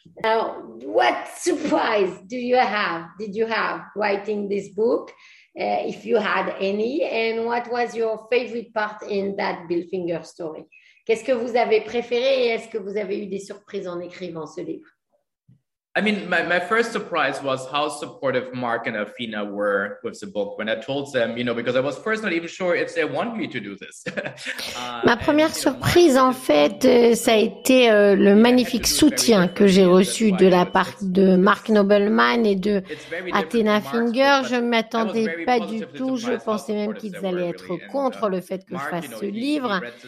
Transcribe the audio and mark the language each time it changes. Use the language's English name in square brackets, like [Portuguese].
[English] Now, what surprise did you have writing this book, if you had any, and what was your favorite part in that Bill Finger story? [French] Qu'est-ce que vous avez préféré et est-ce que vous avez eu des surprises en écrivant ce livre? [English] I mean, my first surprise was how supportive Mark and Afina were with the book when I told them, you know, because I was first not even sure if they want me to do this. [French] Ma première surprise, en fait, ça a été le magnifique soutien que j'ai reçu de la part de Mark Nobleman et de Athena Finger. Je ne m'attendais pas du tout. Je pensais même qu'ils allaient être contre le fait que je fasse ce livre.